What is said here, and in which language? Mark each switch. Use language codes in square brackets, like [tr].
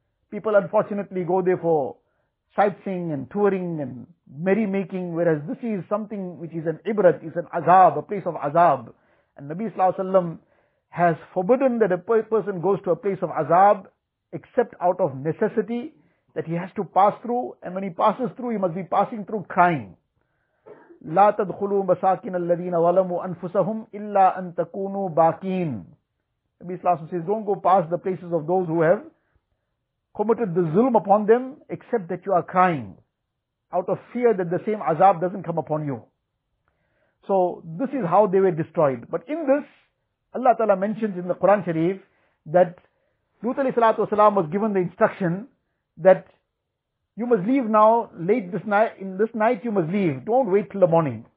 [en] People unfortunately go there for sightseeing and touring and merrymaking, whereas this is something which is an Ibrat, is an Azab, a place of Azab. And Nabi Sallallahu Alaihi Wasallam has forbidden that a person goes to a place of Azab except out of necessity, that he has to pass through, and when he passes through, he must be passing through crying. [ar] لا تدخلوا مساكن الذين ظلموا انفسهم الا ان تكونوا باقين. [en] Nabi Sallallahu Alaihi Wasallam says, don't go past the places of those who have committed the zulm upon them, except that you are crying out of fear that the same azab doesn't come upon you. So this is how they were destroyed. But in this, Allah Ta'ala mentions in the Quran Sharif that Lut Alayhi Salatu Wasalam was given the instruction that you must leave now, late this night, in this night you must leave, don't wait till the morning.